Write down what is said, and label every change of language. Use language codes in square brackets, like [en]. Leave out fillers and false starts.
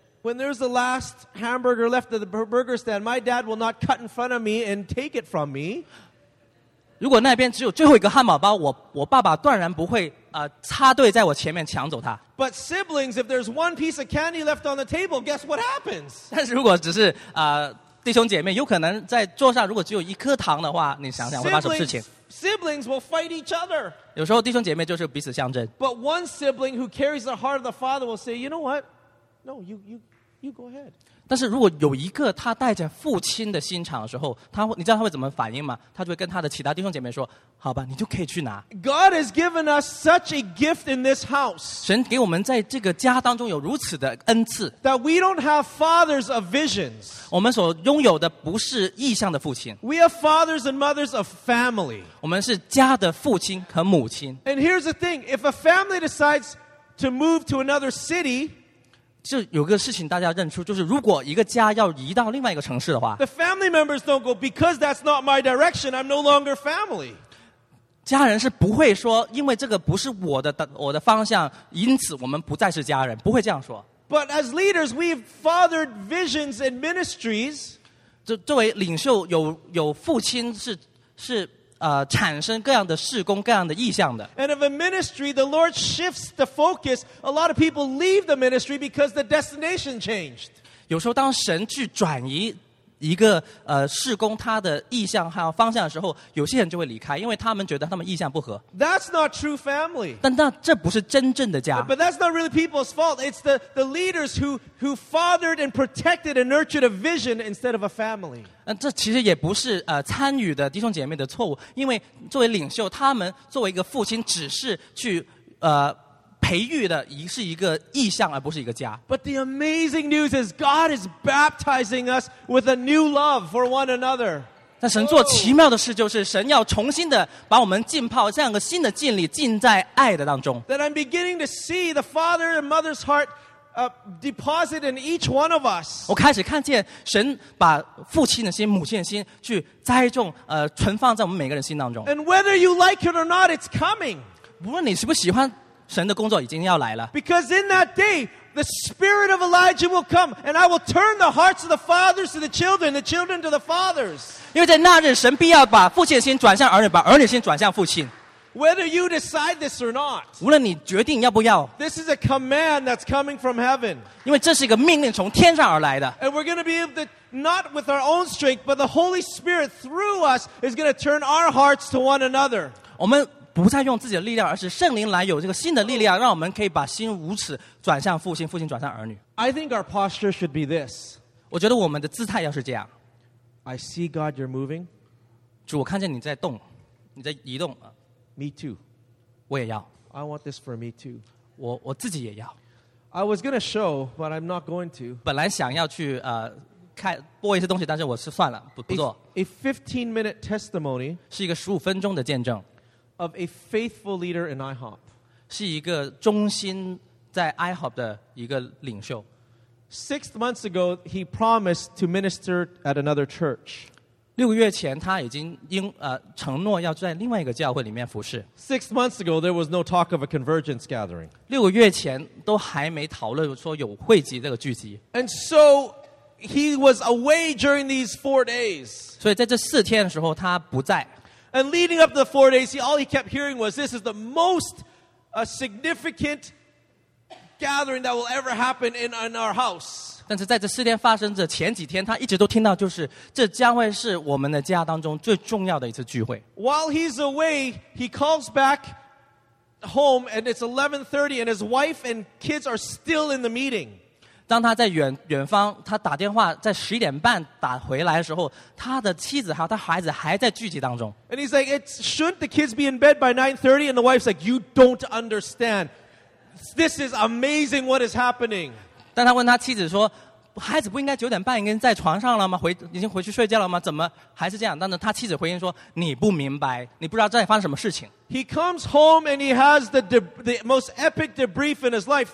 [en] When there's the last hamburger left at the burger stand， my dad will not cut in front of me and take it from me。 [zh] 如果那边只有最后一个汉堡包，我爸爸断然不会插队在我前面抢走它。 [en] But siblings, if there's one piece of candy left on the table, guess what happens? [zh] 但是如果只是弟兄姐妹，有可能在桌上如果只有一颗糖的话，你想想会发生什么事情 [en] ？Siblings will fight each other. [zh] 有时候弟兄姐妹就是彼此相争。 [en] But one sibling who carries the heart of the father will say, you know what? No, you go ahead. [zh] 但是如果有一个他带着父亲的心肠的时候，他你知道他会怎么反应吗？他就会跟他的其他弟兄姐妹说：“好吧，你就可以去拿。” [en] God has given us such a gift in this house. [zh] 神给我们在这个家当中有如此的恩赐。 [en] That we don't have fathers of visions. [zh] 我们所拥有的不是异象的父亲。 [en] We have fathers and mothers of family. [zh] 我们是家的父亲和母亲。 [en] And here's the thing: if a family decides to move to another city. [zh] 就有个事情大家认出，就是如果一个家要移到另外一个城市的话 [en] ，The family members don't go because that's not my direction. I'm no longer family. [zh] 家人是不会说，因为这个不是我的方向，因此我们不再是家人，不会这样说。 [en] But as leaders, we've fathered visions and ministries. [zh] 作为领袖有父亲是。产生各样的事工各样的意向的。 [en] And of a ministry, the Lord shifts the focus. A lot of people leave the ministry because the destination changed. [zh] 有时候当神去转移一个事工他的意向还有方向的时候，有些人就会离开，因为他们觉得他们意向不合。 [en] That's not true family. [zh] 但那这不是真正的家。 [en] But that's not really people's fault. It's the leaders who fathered and protected and nurtured a vision instead of a family. [zh] 这其实也不是参与的弟兄姐妹的错误，因为作为领袖，他们作为一个父亲，只是去培育的是一个意象，而不是一个家。 [en] But the amazing news is God is baptizing us with a new love for one another. [zh] 那神做奇妙的事就是，神要重新的把我们浸泡这样一个新的浸里，浸在爱的当中。 [en] That I'm beginning to see the father and mother's heart deposit in each one of us. [zh] 我开始看见神把父亲的心、母亲的心去栽种，存放在我们每个人心当中。 [en] And whether you like it or not, it's coming. [zh] 无论你喜不喜欢。神的工作已经要来了。 [en] Because in that day, the spirit of Elijah will come, and I will turn the hearts of the fathers to the children to the fathers. [zh] 因为在那日，神必要把父亲的心转向儿女，把儿女的心转向父亲。 [en] Whether you decide this or not, [zh] 无论你决定要不要， [en] this is a command that's coming from heaven. [zh] 因为这是一个命令从天上而来的。 [en] And we're going to be able to, not with our own strength, but the Holy Spirit through us is going to turn our hearts to one another. [zh] 我们不再用自己的力量，而是圣灵来有这个新的力量，让我们可以把心如此转向父亲，父亲转向儿女。 [en] I think our posture should be this. [zh] 我觉得我们的姿态要是这样。 [en] I see God, you're moving. [zh] 主，我看见你在动，你在移动。 [en] Me too. [zh] 我也要。 [en] I want this for me too. [zh] 我自己也要。 [en] I was going to show, but I'm not going to. [zh] 本来想要去看播一些东西，但是我是算了，不做。 [en] A 15-minute testimony [zh] 是一个十五分钟的见证。 [en] Of a faithful leader in IHOP, [zh] 是一个忠心在 IHOP 的一个领袖。 [en] 6 months ago, he promised to minister at another church. [zh] 6个月前，他已经承诺要在另外一个教会里面服事。 [en] 6 months ago, there was no talk of a convergence gathering. [zh] 6个月前都还没讨论说有汇集这个聚集。 [en] And so he was away during these 4 days. [zh] 所以在这4天的时候，他不在。 [en] And leading up to the 4 days, all he kept hearing was, this is the most significant gathering that will ever happen in our house. [zh] 但是在这四天发生的前几天，他一直都听到，就是这将会是我们的家当中最重要的一次聚会。 [en] While he's away, he calls back home, and it's 11:30, and his wife and kids are still in the meeting. [zh] 当他在远方，他打电话在11:30打回来的时候，他的妻子还有他孩子还在聚集当中。 [en] And he's like, shouldn't the kids be in bed by 9:30? And the wife's like, you don't understand. This is amazing what is happening. [zh] 但他问他妻子说，孩子不应该9:30已经在床上了吗？已经回去睡觉了吗？怎么还是这样？但是他妻子回应说，你不明白，你不知道这里发生什么事情。 [en] He comes home and he has the most epic debrief in his life.